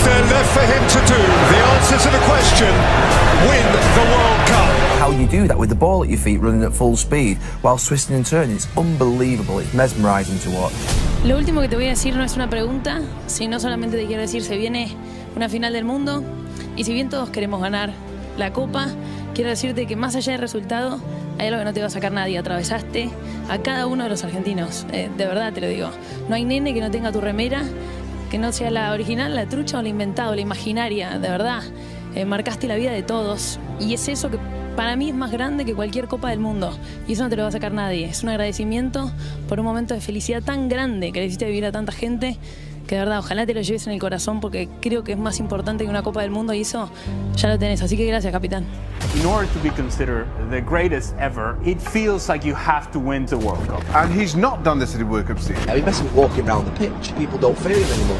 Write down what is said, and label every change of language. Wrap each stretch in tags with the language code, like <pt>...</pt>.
<en>Left for him to do the answer to the question, win the World Cup. How you do that with the ball at your feet running at full speed while twisting and turning, it's unbelievable, it's mesmerizing to watch.</en> <es>Lo último que te voy a decir no es una pregunta, sino solamente te quiero decir, se viene una final del mundo, y si bien todos queremos ganar la Copa, quiero decirte que más allá del resultado, hay algo que no te va a sacar nadie. Atravesaste a cada uno de los argentinos, de verdad te lo digo. No hay nene que no tenga tu remera, que no sea la original, la trucha o la inventada, la imaginaria, de verdad. Marcaste la vida de todos. Y es eso que para mí es más grande que cualquier Copa del Mundo. Y eso no te lo va a sacar nadie. Es un agradecimiento por un momento de felicidad tan grande que le hiciste vivir a tanta gente, que de verdad, ojalá te lo lleves en el corazón, porque creo que es más importante que una Copa del Mundo, y eso ya lo tenés. Así que gracias, capitán.</es> <en>In order to be considered the greatest ever, it feels like you have to win the World Cup. And he's not done this at the World Cup scene. I mean, Messi walking around the pitch, people don't fear him anymore.</en>